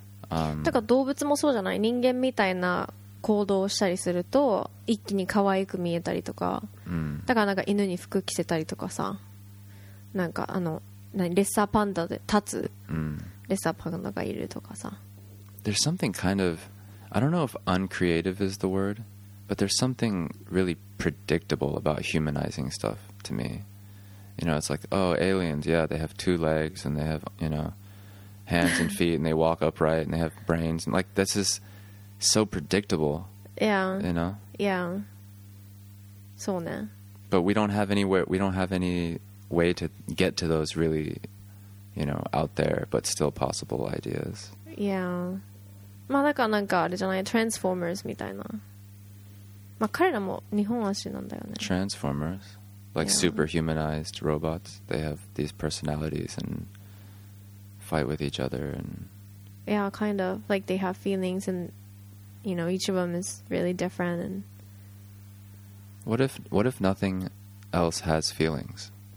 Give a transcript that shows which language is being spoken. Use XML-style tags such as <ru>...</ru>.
<ja>だから動物もそうじゃない。人間みたいな行動をしたりすると、一気に可愛く見えたりとか。だからなんか犬に服着せたりとかさ。なんかあの、何、レッサーパンダで立つ。レッサーパンダがいるとかさ。</ja> <en>There's something kind of, I don't know if uncreative is the word. But there's something really predictable about humanizing stuff to me. You know, it's like, oh, aliens, yeah, they have two legs and they have, you know, hands and feet and they walk upright and they have brains. And, like, this is so predictable. Yeah. You know? Yeah.</en> <ja>そうね。</ja> <en>But we don't have any way to get to those really, you know, out there but still possible ideas. Yeah.</en> <ja>まあ、だからなんかあれじゃない? Transformers みたいな。まあ、彼らも日本足なんだよね。</ja> <en>Transformers, like superhumanized robots, they have these personalities and fight with each other and yeah, kind of like they have feelings and you know each of them is really different. And what if nothing else has feelings?</en>